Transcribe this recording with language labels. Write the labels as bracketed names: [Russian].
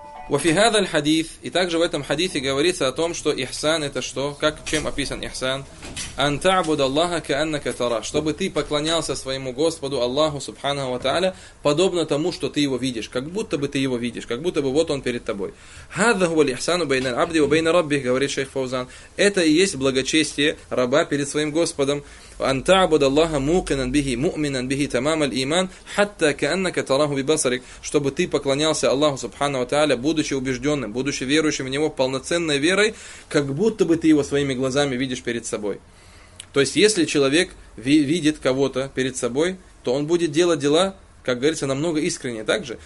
[Arabic] وفي هذا الحديث, [Russian] и также в этом хадисе говорится о том, что ихсан это что? Как, чем описан ихсан? [Arabic] أن تعبد الله كأنك ترى. [Russian] Чтобы ты поклонялся своему Господу Аллаху Субхану ва Тааля подобно тому, что ты его видишь, как будто бы ты его видишь, как будто бы вот он перед тобой. [Arabic] هذا هو الإحسان بين العبد وبين ربه, [Russian] говорит шейх Фаузан. Это и есть благочестие раба перед своим Господом. [Arabic] أن تعبد الله موقنا به مؤمنا به تمام الإيمان حتى كأنك تراه ببصرك. [Russian] Чтобы ты поклонялся Аллаху Субхану ва Тааля, будучи убежденным, будучи верующим в Него полноценной верой, как будто бы ты его своими глазами видишь перед собой. То есть, если человек видит кого-то перед собой, то он будет делать дела, как говорится, намного искреннее. Так же?